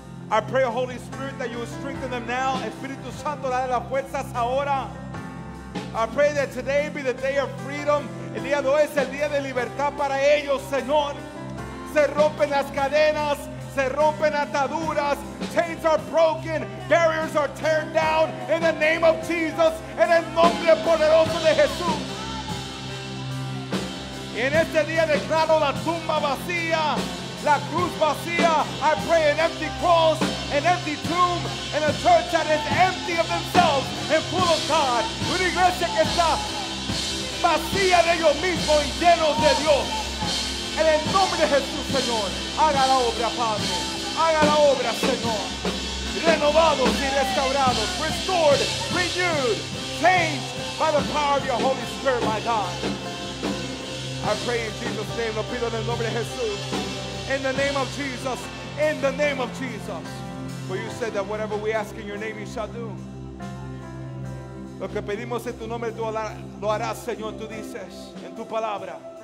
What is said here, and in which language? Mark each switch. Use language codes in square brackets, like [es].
[en] I pray, Holy Spirit, that you will strengthen them now. [es] Espíritu Santo, dale las fuerzas ahora. [en] I pray that today be the day of freedom. [es] El día de hoy es el día de libertad para ellos, Señor. Se rompen las cadenas. Se rompen ataduras. [en] Chains are broken. Barriers are torn down. In the name of Jesus. [es] En el nombre poderoso de Jesús. Y en este día declaro la tumba vacía. La cruz vacía. [en] I pray an empty cross. An empty tomb. And a church that is empty of themselves. And full of God. [es] Una iglesia que está vacía de ellos mismos. Y lleno de Dios. En el nombre de Jesús, Señor, haga la obra, Padre. Haga la obra, Señor. Renovados y restaurados. [en] Restored, renewed, changed by the power of your Holy Spirit, my God. I pray in Jesus' name, [es] lo pido en el nombre de Jesús. [en] In the name of Jesus, in the name of Jesus. For you said that whatever we ask in your name, you shall do. [es] Lo que pedimos en tu nombre, tú lo harás, Señor, tú dices, en tu palabra.